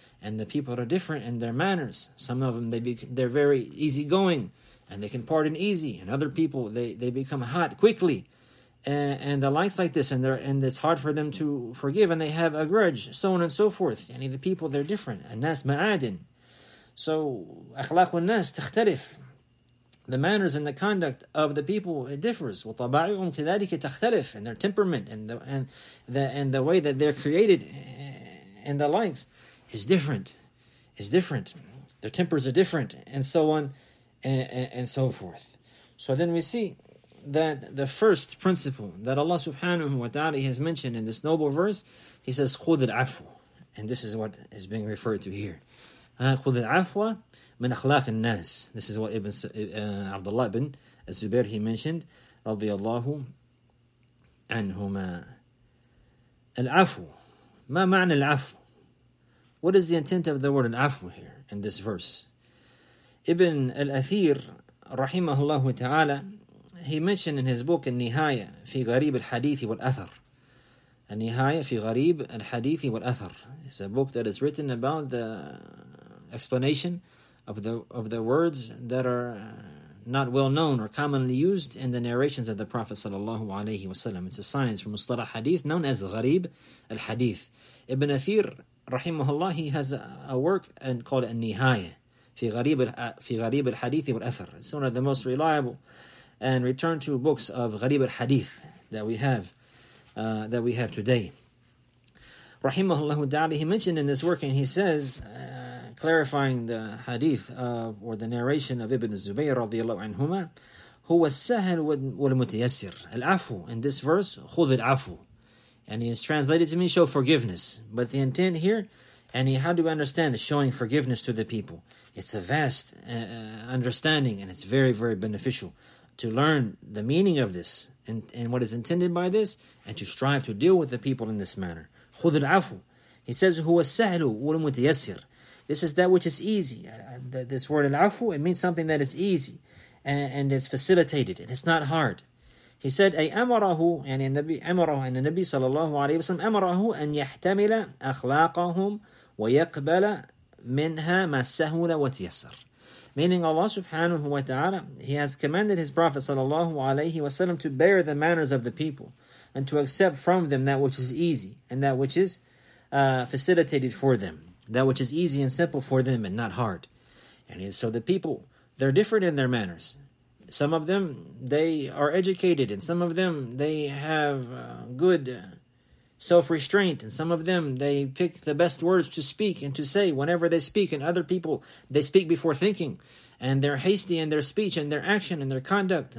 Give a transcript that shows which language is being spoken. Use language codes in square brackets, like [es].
[en] and the people are different in their manners. Some of them, they're very easygoing, and they can pardon easy. And other people, they become hot quickly, and the likes like this, and it's hard for them to forgive, and they have a grudge, so on and so forth. And the people, they're different. [ar] الناس معادن. So أخلاق الناس تختلف. [en] The manners and the conduct of the people, it differs. [ar] وطبعهم كذلك تختلف, [en] and their temperament and the way that they're created and the likes is different. Is different. Their tempers are different, and so on and so forth. So then we see that the first principle that Allah subhanahu wa ta'ala has mentioned in this noble verse, he says, [ar] خُد العفو. [en] And this is what is being referred to here. [ar] خُد العفو من أخلاق الناس. [en] This is what Ibn Abdullah ibn Zubair, he mentioned, [ar] رضي الله عنهما. العفو. ما معنى العفو? [en] What is the intent of the word العفو here in this verse? Ibn al-Athir, rahimahullah ta'ala, he mentioned in his book, النهاية في غريب الحديث والأثر. [ar] النهاية في غريب الحديث والأثر. [en] It's a book that is written about the explanation of the words that are not well known or commonly used in the narrations of the Prophet sallallahu alayhi wasallam. It's a science from Mustalah Hadith known as غريب الحديث. Ibn Athir, rahimahullah, he has a work and called النهاية في غريب الحديث والأثر. It's one of the most reliable and return to books of غريب الحديث that we have today. Rahimahullah ta'ala, he mentioned in this work, and he says, clarifying the hadith of, or the narration of Ibn Zubayr radiallahu anhuma, [ar] هو السهل والمتيسر. [en] العفو in this verse, [ar] خذ العفو. [en] And he is translated to mean show forgiveness. But the intent here, and how do we understand showing forgiveness to the people? It's a vast understanding, and it's very, very beneficial to learn the meaning of this and what is intended by this, and to strive to deal with the people in this manner. [ar] خُذُ الْعَفُوُ. [en] He says, [ar] هُوَ السَّهْلُ وَالْمُتْيَسِّرُ. [en] This is that which is easy. This word الْعَفُوُ, it means something that is easy and is facilitated, and it's not hard. He said, [ar] أَمَرَهُ, يعني النبي, أمره أن النبي صلى الله عليه وسلم أمره أن يحتمل أخلاقهم ويقبل منها ما سهل وتيسر. [en] Meaning Allah subhanahu wa ta'ala, he has commanded his Prophet sallallahu alayhi wa sallam to bear the manners of the people and to accept from them that which is easy and that which is facilitated for them, that which is easy and simple for them and not hard. And so the people, they're different in their manners. Some of them, they are educated, and some of them, they have good self-restraint, and some of them, they pick the best words to speak and to say whenever they speak, and other people, they speak before thinking, and they're hasty in their speech and their action and their conduct.